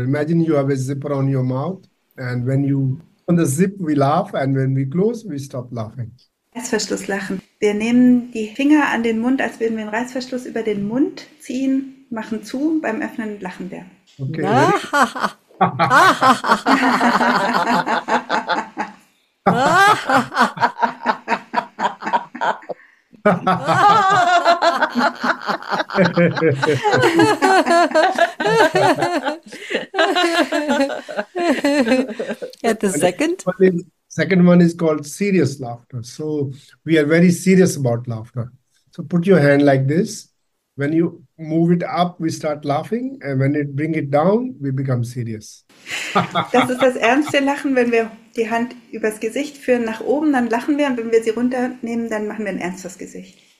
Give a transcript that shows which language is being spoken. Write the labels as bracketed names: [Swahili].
[English] Imagine you have a zipper on your mouth and when you on the zip we laugh and when we close we stop laughing. [German] Reißverschlusslachen. Wir nehmen die Finger an den Mund, als würden wir einen Reißverschluss über den Mund ziehen, machen zu, beim Öffnen lachen wir. [English] Okay. At the second? Second one is called serious laughter. So we are very serious about laughter. So put your hand like this. When you move it up, we start laughing. And when it bring it down, we become serious. [German] Das ist das ernste Lachen. Wenn wir die Hand übers Gesicht führen nach oben, dann lachen wir. Und wenn wir sie runternehmen, dann machen wir ein ernstes Gesicht.